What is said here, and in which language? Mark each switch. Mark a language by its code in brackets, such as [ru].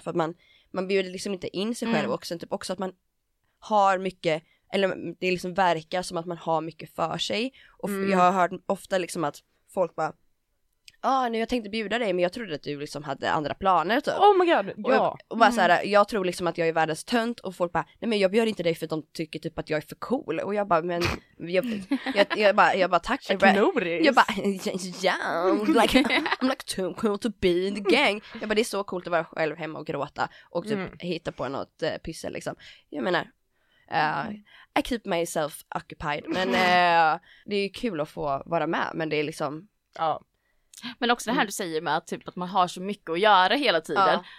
[sv] För att man bjuder liksom inte in sig själv också, typ också att man har mycket, eller det liksom verkar som att man har mycket för sig. Och jag har hört ofta liksom att folk bara, nu jag tänkte bjuda dig, men jag trodde att du liksom hade andra planer typ. [en] Oh my god, ja. [sv] Och bara såhär, jag tror liksom att jag är världens tönt. Och folk bara, nej men jag bjöd inte dig för att de tycker typ att jag är för cool. Och jag bara, men jag bara tack. Jag bara, [en] yeah, like, I'm like too cool to be in the gang. [sv] Jag bara, det är så coolt att vara själv hemma och gråta. Och typ hitta på något pyssel liksom. Jag menar, [en] I keep myself occupied. [sv] Men det är ju kul att få vara med. Men det är liksom, ja. Men också det här du säger med att, typ, att man har så mycket att göra hela tiden. Ja.